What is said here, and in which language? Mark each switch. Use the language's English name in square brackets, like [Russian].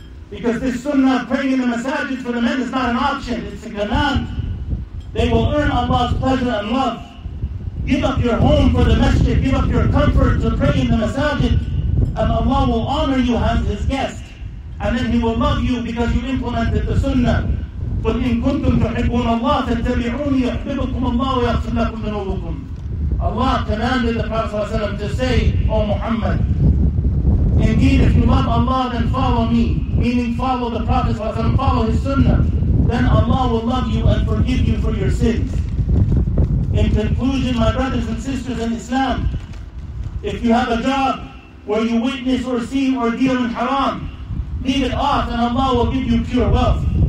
[English] Because this sunnah of praying in the masajid for the men is not an option. It's a command. They will earn Allah's pleasure and love. Give up your home for the masjid. Give up your comfort to pray in the masajid. And Allah will honor you as his guest. And then he will love you because you implemented the sunnah. [Arabic] قل إن كنتم تحبون الله فاتبعوني يحببكم الله ويغفر لكم ذنوبكم. [English] Allah commanded the Prophet ﷺ to say, O Muhammad, indeed if you love Allah then follow me, meaning follow the Prophet ﷺ, follow his sunnah, then Allah will love you and forgive you for your sins. In conclusion, my brothers and sisters in Islam, if you have a job where you witness or see or deal in haram, leave it off and Allah will give you pure wealth.